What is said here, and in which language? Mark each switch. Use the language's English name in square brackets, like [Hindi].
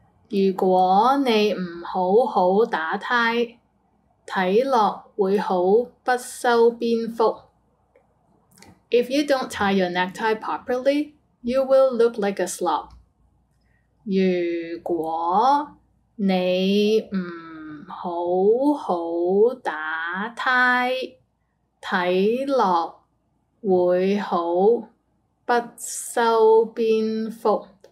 [Cantonese] 如果你唔好好打呔，睇落會好不修邊幅。 [English] If you don't tie your necktie properly, you will look like a slob. [Cantonese] 如果你唔好好打呔，睇落會好不修邊幅。